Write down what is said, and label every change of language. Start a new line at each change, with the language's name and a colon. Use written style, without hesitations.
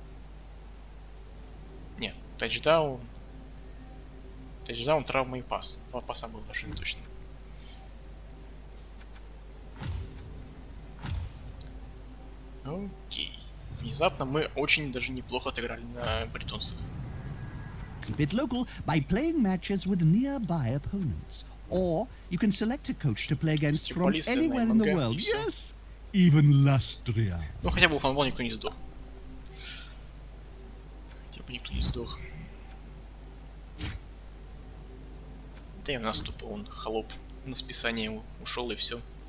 Russian: Окей. Нет, тачдаун. Тачдаун, травма и пас. Два паса было даже не точно. Окей. Внезапно мы очень даже неплохо отыграли на бритонцах.
English: Keep it local by playing matches with nearby opponents. Or you can select a coach to play against from anywhere in the world. Yes! Even Lustria.
Russian: Ну хотя бы у фанбол никто не сдох. Никто не сдох. Да и у нас тупо он холоп на списание ушел и все.